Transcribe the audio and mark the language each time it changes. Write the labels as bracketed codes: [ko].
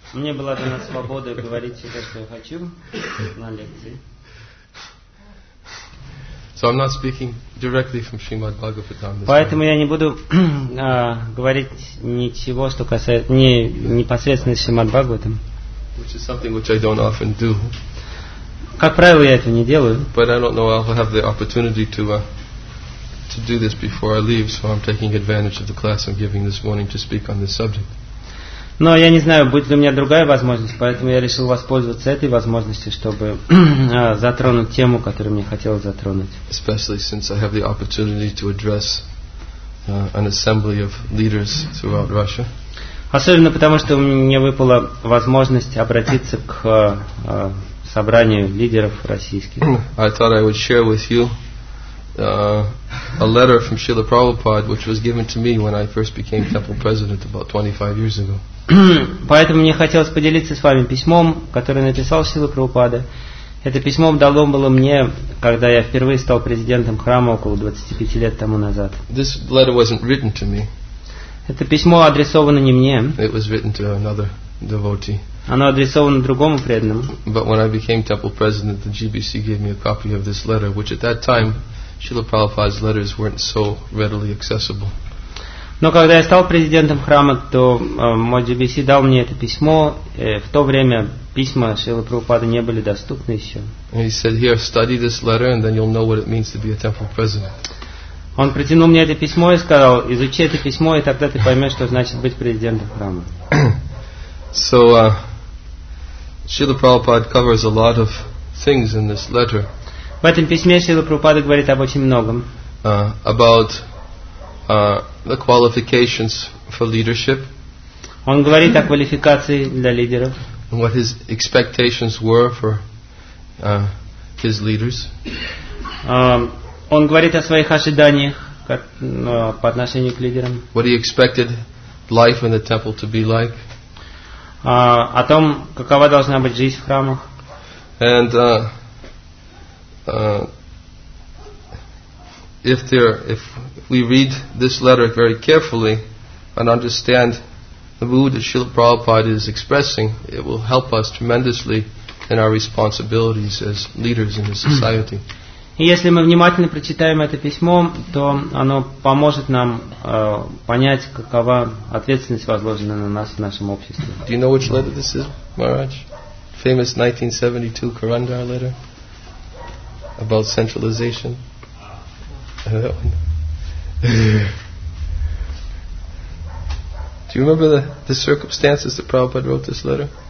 [ru] Мне была дана свобода говорить все, что я хочу на лекции. [en] So I'm not speaking directly from Srimad Bhagavatam. [ru] Поэтому я не буду говорить ничего, что касается не непосредственно Шримад Бхагаватам. [en] Which is something which I don't often do. [ru] Как правило, я это не делаю. [en] But I don't know I'll have the opportunity to do this before I leave, so I'm taking advantage of the class I'm giving this morning to speak on this subject. [ru] Но я не знаю, будет ли у меня другая возможность, поэтому я решил воспользоваться этой возможностью, чтобы затронуть тему, которую мне хотелось затронуть. [en] Especially since I have the opportunity to address an assembly of leaders throughout Russia. [ru] Особенно потому, что мне выпала возможность обратиться к собранию лидеров российских. [en] I thought I would share with you a letter from Srila Prabhupada, which was given to me when I first became temple president about 25 years ago. [ru] Поэтому мне хотелось поделиться с вами письмом, которое написал Шрила Прабхупада. Это письмо дало было мне, когда я впервые стал президентом храма около 25 лет тому назад. [en] This letter wasn't written to me. [ru] Это письмо адресовано не мне. [en] It was written to another devotee. [ru] Оно адресовано другому преданному. [en] But when I became temple president, the GBC gave me a copy of this letter, which at that time, Srila Prabhupada's letters weren't so readily accessible. [ru] Но когда я стал президентом храма, то мой GBC дал мне это письмо. В то время письма Шрилы Прабхупады не были доступны еще. [en] And he said, "Here, study this letter, and then you'll know what it means to be a temple president." [ru] Он протянул мне это письмо и сказал, изучи это письмо, и тогда ты поймешь, что значит быть президентом храма. [en] So, Srila Prabhupada covers a lot of things in this letter. [ru] В этом письме Шрила Прабхупада говорит об очень многом. [en] About the qualifications for leadership. [ru] Он говорит о квалификации для лидеров. [en] And what his expectations were for his leaders. [ru] Он говорит о своих ожиданиях по отношению к лидерам. [en] What he expected life in the temple to be like. [ru] О том, какова должна быть жизнь в храмах. [en] And if we read this letter very carefully and understand the mood that Srila Prabhupada is expressing, it will help us tremendously in our responsibilities as leaders in the society. [ru] Если мы внимательно прочитаем это письмо, то оно поможет нам понять, какова ответственность возложена на нас в нашем обществе. [en] Do you know which letter this is, Maharaj? Famous 1972 Kurandar letter about centralization. Do you remember the circumstances that Prabhupada wrote this letter?